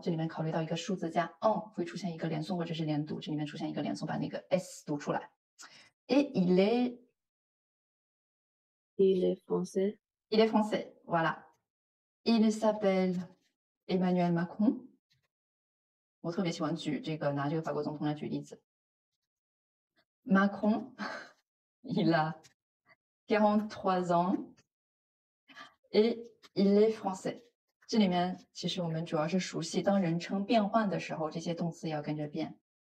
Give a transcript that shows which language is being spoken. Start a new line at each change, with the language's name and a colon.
Chinese: 这里面考虑到一个数字加 en 会出现一个连诵或者是连读，这里面出现一个连诵，把那个 s 读出来。
French: Et il est... Il est français. Il est français, voilà. Il s'appelle Emmanuel Macron.
Chinese: 我特别喜欢举这个拿这个法国总统来举例子。
French: Macron, il a 43 ans et il est français。
Chinese: 这里面其实我们主要是熟悉，当人称变换的时候，这些动词要跟着变。